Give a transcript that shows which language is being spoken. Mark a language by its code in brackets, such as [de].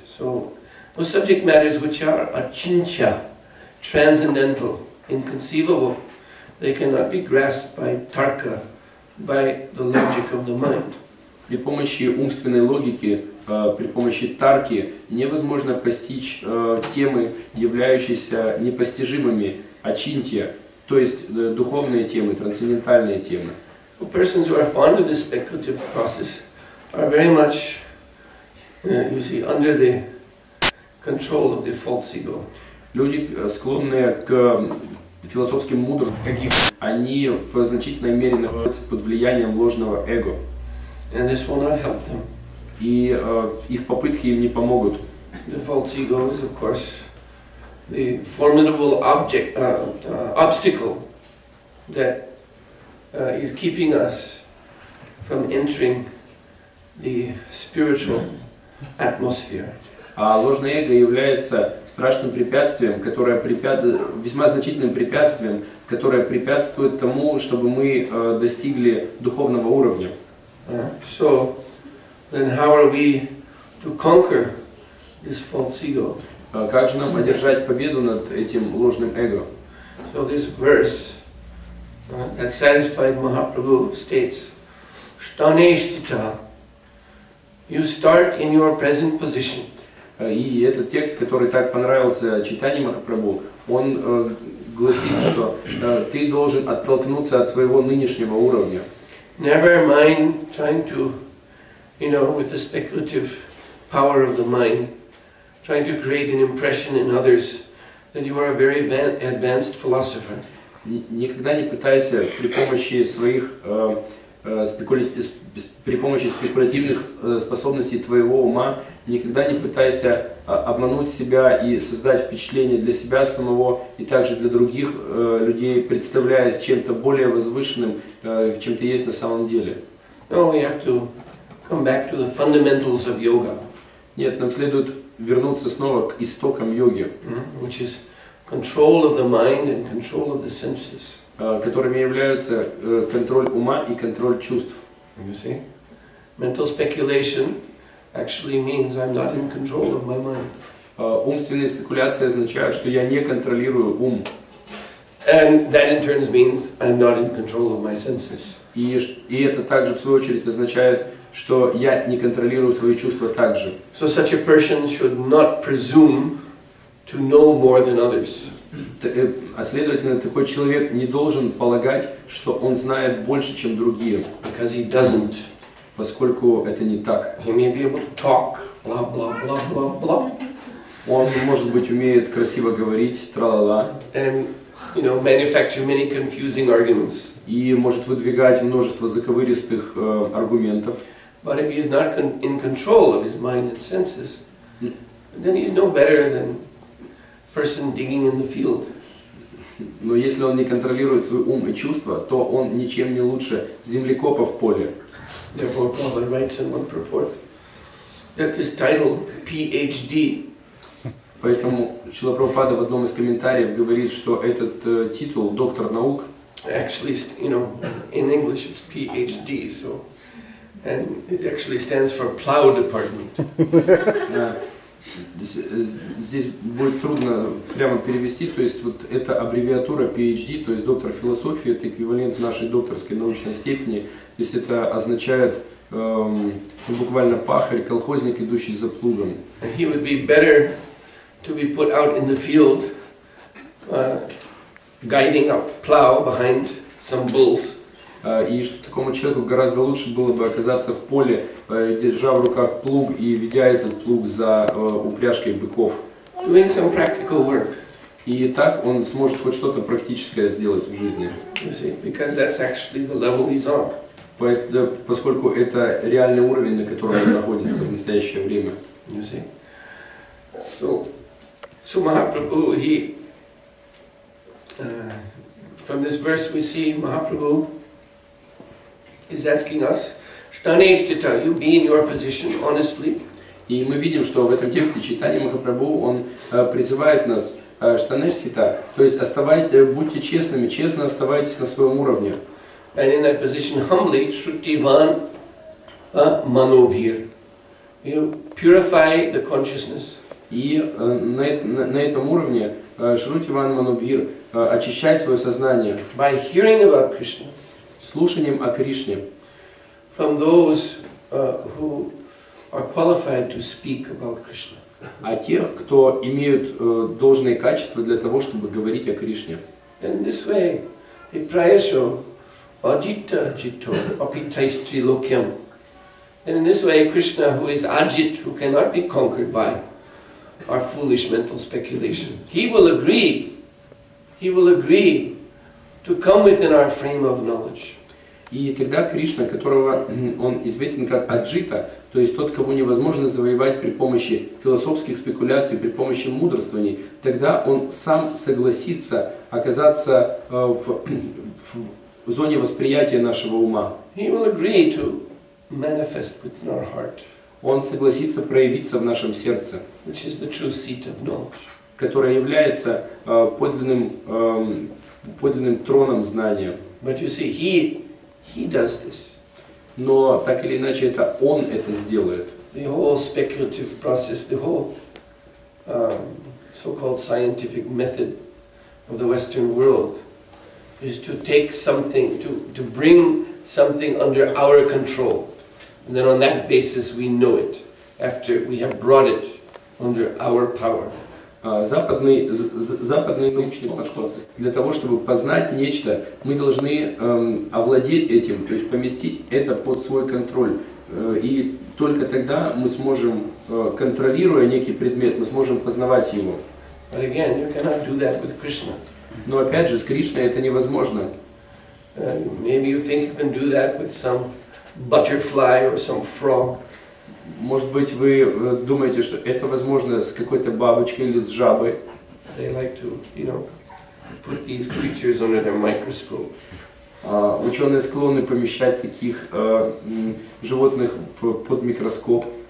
[en] So, the subject matters which are achincha, transcendental, inconceivable, they cannot be grasped by tarka, by the logic of the mind. [ru] При помощи умственной логики, при помощи тарки, невозможно постичь темы, являющиеся непостижимыми, ачинтья, то есть духовные темы, трансцендентальные темы. [en] Persons who are fond of this speculative process are very much, you see, under the control of the false ego. [ru] Люди, склонные к философским мудрствам, они в значительной мере находятся под влиянием ложного эго. [en] And this will not help them. [ru] И их попытки им не помогут. [en] The false ego is, of course, the formidable object, obstacle that is keeping us from entering the spiritual atmosphere. [ru] А ложное эго является страшным препятствием, которое весьма значительным препятствием, которое препятствует тому, чтобы мы достигли духовного уровня. [en] So, then how are we to conquer this false ego? [ru] Как же нам одержать победу над этим ложным эго? [en] So this verse that satisfied Mahaprabhu states, Shtaneshtita, you start in your present position. [ru] И этот текст, который так понравился читанию Махапрабху, он гласит, что ты должен оттолкнуться от своего нынешнего уровня. [en] Never mind trying to, you know, with the speculative power of the mind, trying to create an impression in others that you are a very advanced philosopher. [ru] Никогда не пытайся при помощи своих спекулятивных способностей твоего ума, никогда не пытайся обмануть себя и создать впечатление для себя самого и также для других людей, представляясь чем-то более возвышенным, чем ты есть на самом деле. [en] Well, we have to come back to the fundamentals of yoga. [ru] Нет, нам следует вернуться снова к истокам йоги. [en] Which is control of the mind and control of the senses. [ru] Которыми являются контроль ума и контроль чувств. [en] You see? Mental speculation actually means I'm not in control of my mind. [ru] Умственные спекуляции означают, что я не контролирую ум. [en] And that in turn means I'm not in control of my senses. [ru] И это также в свою очередь означает, что я не контролирую свои чувства также. [en] So such a person should not presume to know more than others. [ru] А следовательно, такой человек не должен полагать, что он знает больше, чем другие. [en] Because he doesn't. [ru] Поскольку это не так. [en] He may be able to talk, blah, blah, blah, blah, blah. [ru] Он, может быть, умеет красиво говорить, тра-ла-ла. [en] And, you know, manufacture many confusing arguments. [ru] И может выдвигать множество заковыристых аргументов. [en] But if he is not in control of his mind and senses, then he's no better than person digging in the field. [ru] Но если он не контролирует свой ум и чувства, то он ничем не лучше землекопа в поле. [en] Therefore, Prabhupada writes in one purport that this title, PhD. [ru] Поэтому Шрила Прабхупада в одном из комментариев говорит, что этот титул, доктор наук. [en] Actually, you know, in English it's PhD, so, and it actually stands for plow department. [ru] Здесь будет трудно прямо перевести, то есть вот эта аббревиатура PhD, то есть доктор философии, это эквивалент нашей докторской научной степени, то есть это означает буквально пахарь, колхозник, идущий за плугом. [en] He would be better to be put out in the field, guiding a plow behind some bulls. [ru] И что такому человеку гораздо лучше было бы оказаться в поле, держа в руках плуг и ведя этот плуг за упряжкой быков. [en] Doing some practical work. [ru] И так он сможет хоть что-то практическое сделать в жизни. [en] You see, because that's actually the level he's on. [ru] Поскольку это реальный уровень, на котором он находится в настоящее время. [en] You see? So Mahaprabhu, from this verse we see Mahaprabhu is asking us, [sa] Shtane Ishtita, [en] you be in your position honestly. [ru] И мы видим, что в этом тексте читания Махапрабху он призывает нас, [sa] Shtane Ishtita, [ru] то есть будьте честными, честно оставайтесь на своем уровне. [en] And in that position humbly, [sa] Shruttivan Manobhir. [en] You purify the consciousness. [ru] И на этом уровне [sa] Shruttivan Manobhir [ru] очищает свое сознание. [en] By hearing about Krishna. [ru] Слушанием о Кришне. [en] From those who are qualified to speak about Krishna. [ru] А тех, кто имеют должные качества для того, чтобы говорить о Кришне. [en] In this way, he [sa] prayasho ajita jito apitaistri lokyam. [en] And in this way, Krishna, who is ajit, who cannot be conquered by our foolish mental speculation, he will agree to come within our frame of knowledge. [ru] И тогда Кришна, которого он известен как Аджита, то есть тот, кого невозможно завоевать при помощи философских спекуляций, при помощи мудрствований, тогда он сам согласится оказаться в зоне восприятия нашего ума. [en] He will agree to manifest within our heart. [ru] Он согласится проявиться в нашем сердце, [en] which is the true seat of knowledge. [ru] Которое является подлинным троном знания. [en] But you see, He does this. [ru] Но так или иначе это он это сделает. [en] The whole speculative process, the whole so-called scientific method of the Western world is to take something, to bring something under our control, and then on that basis we know it after we have brought it under our power. [ru] Западный научный подход. Для того, чтобы познать нечто, мы должны овладеть этим, то есть поместить это под свой контроль. И только тогда мы сможем, контролируя некий предмет, мы сможем познавать его. [en] But again, you cannot do that with Krishna. [ru] Но опять же, с Кришной это невозможно. [en] Maybe you think you can do that with some butterfly or some frog. [ru] Может быть, вы думаете, что это возможно с какой-то бабочкой или с жабой? [en] They like to, you know, put these creatures under their microscope. [ru] Ученые склонны помещать таких животных под микроскоп.